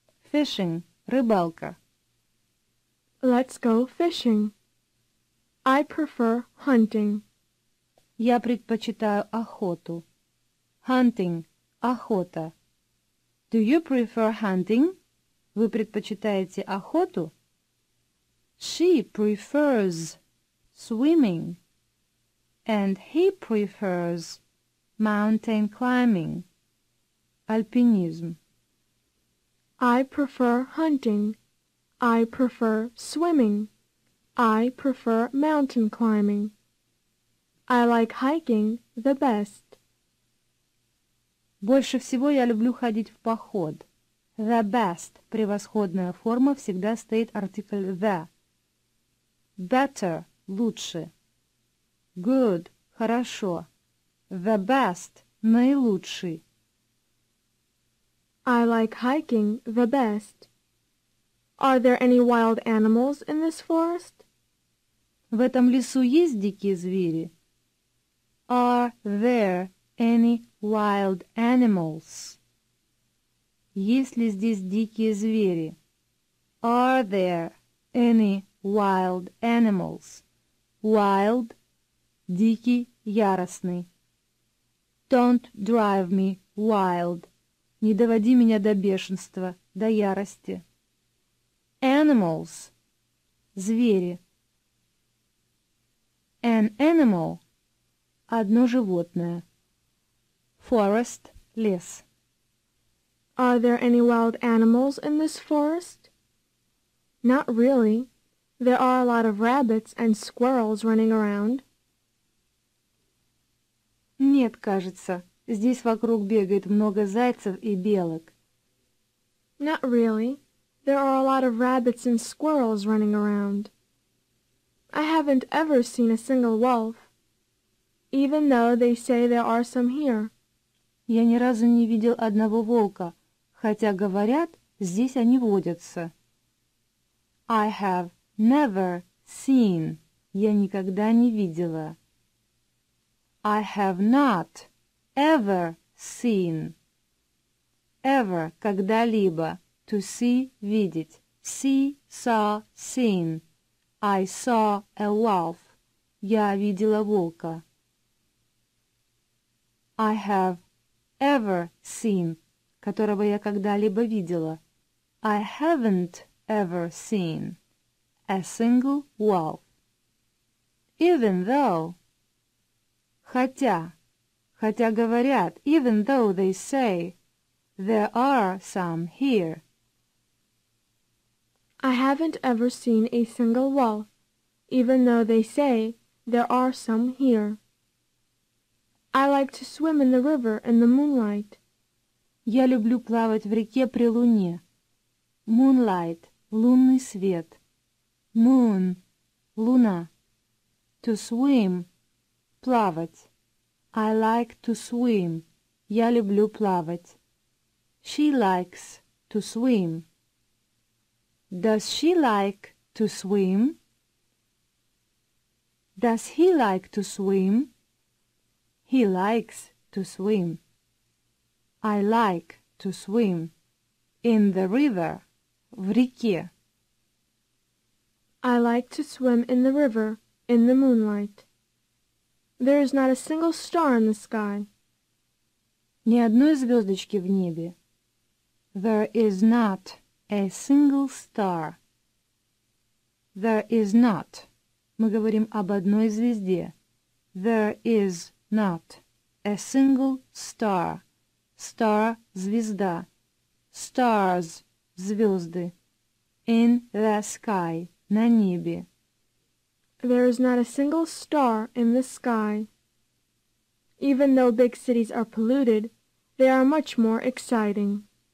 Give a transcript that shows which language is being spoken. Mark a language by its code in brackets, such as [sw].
[en] Fishing – рыбалка. Let's go fishing. I prefer hunting. [ru] Я предпочитаю охоту. [en] Hunting – охота. Do you prefer hunting? [ru] Вы предпочитаете охоту? [en] She prefers swimming. And he prefers mountain climbing. [ru] Альпинизм. [en] I prefer hunting. I prefer swimming. I prefer mountain climbing. I like hiking the best. Больше всего я люблю ходить в поход. The best. [ru] Превосходная форма всегда стоит артикль the. [en] Better. [ru] Лучше. [en] Good. [ru] Хорошо. [en] The best. [ru] Наилучший. [en] I like hiking the best. Are there any wild animals in this forest? [ru] В этом лесу есть дикие звери? [en] Are there any wild animals? [ru] Есть ли здесь дикие звери? [en] Are there any wild animals? Wild – дикий, яростный. Don't drive me wild. [ru] Не доводи меня до бешенства, до ярости. [en] Animals [ru] – звери. [en] An animal – [ru] одно животное. [en] Forest [ru] – лес. [en] Are there any wild animals in this forest? Not really. There are a lot of rabbits and squirrels running around. [ru] Нет, кажется. Здесь вокруг бегает много зайцев и белок. [en] Not really. There are a lot of rabbits and squirrels running around. I haven't ever seen a single wolf. Even though they say there are some here. [ru] Я ни разу не видел одного волка, хотя говорят, здесь они водятся. [en] I have never seen. [ru] Я никогда не видела. [en] I have not ever seen. Ever – когда-либо. To see – видеть. See, saw, seen. I saw a wolf. [ru] Я видела волка. [en] I have ever seen, [ru] которого я когда-либо видела. [en] I haven't ever seen a single wolf. Even though, [ru] хотя говорят, [en] even though they say, there are some here. I haven't ever seen a single wolf, even though they say, there are some here. I like to swim in the river in the moonlight. [ru] Я люблю плавать в реке при луне. Moonlight — лунный свет. [en] Moon — луна. To swim — плавать. I like to swim. [ru] Я люблю плавать. [en] She likes to swim. Does she like to swim? Does he like to swim? He likes to swim. I like to swim. In the river. [ru] В реке. [en] I like to swim in the river, in the moonlight. There is not a single star in the sky. [ru] Ни одной звездочки в небе. [en] There is not a single star. There is not. [ru] Мы говорим об одной звезде. [en] There is not a single star. Star – звезда. Stars – звезды. In the sky – [ru] на небе. [en] There is not a single star in the sky. Even though big cities are polluted, they are much more exciting.